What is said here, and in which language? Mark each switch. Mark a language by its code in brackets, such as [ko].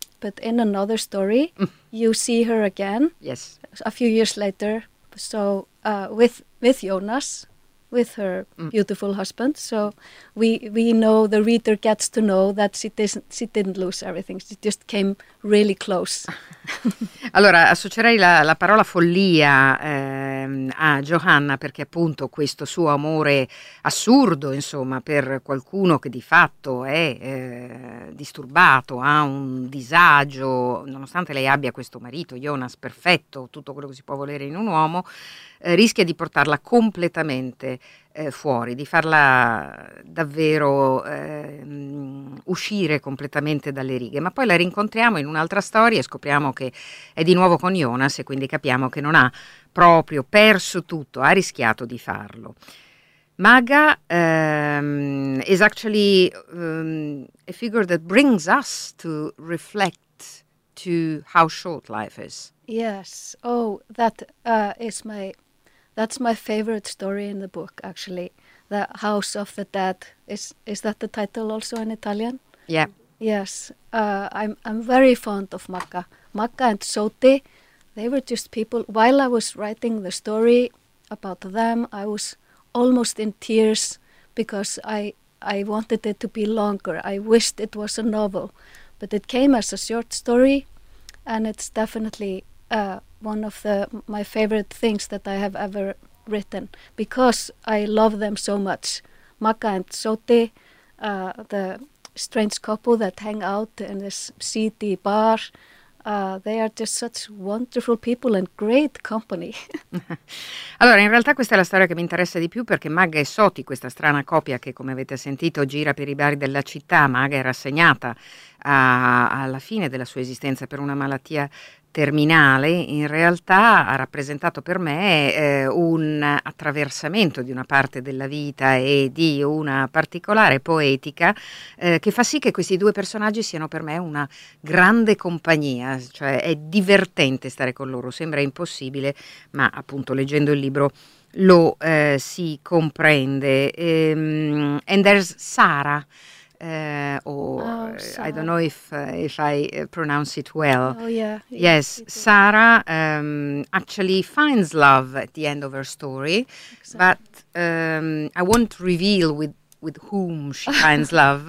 [en] But in another story, you see her again. Yes. A few years later. So with Jonas, with her beautiful husband. So we know, the reader gets to know that she didn't lose everything. She just came really close. [it] Allora, associerei la parola follia a Johanna, perché appunto questo suo amore assurdo, insomma, per qualcuno che di fatto è disturbato, ha un disagio, nonostante lei abbia questo marito, Jonas, perfetto, tutto quello che si può volere in un uomo, rischia di portarla completamente fuori, di farla davvero uscire completamente dalle righe. Ma poi la rincontriamo in un'altra storia e scopriamo che è di nuovo con Jonas, e quindi capiamo che non ha proprio perso tutto, ha rischiato di farlo. [en] Maga is actually a figure that brings us to reflect to how short life is. Yes. Oh, that is my, that's my favorite story in the book, actually. The House of the Dead. Is that the title also in Italian? Yeah. Yes. I'm very fond of Magga. Magga and Soti, they were just people. While I was writing the story about them, I was almost in tears because I wanted it to be longer. I wished it was a novel. But it came as a short story, and it's definitely one of my favorite things that I have ever written, because I love them so much. Magga and Soti, the strange couple that hang out in this seedy bar, they are just such wonderful people and great company. [it] Allora, in realtà questa è la storia che mi interessa di più, perché Magga e Soti, questa strana coppia che, come avete sentito, gira per i bar della città. Magga era segnata alla fine della sua esistenza per una malattia terminale, in realtà ha rappresentato per me un attraversamento di una parte della vita e di una particolare poetica che fa sì che questi due personaggi siano per me una grande compagnia, cioè è divertente stare con loro, sembra impossibile, ma appunto leggendo il libro lo si comprende. [en] And there's Sara. Sara. I don't know if I pronounce it well. Oh, yeah. Yes, Sara actually finds love at the end of her story. Exactly. But I won't reveal with whom she finds love.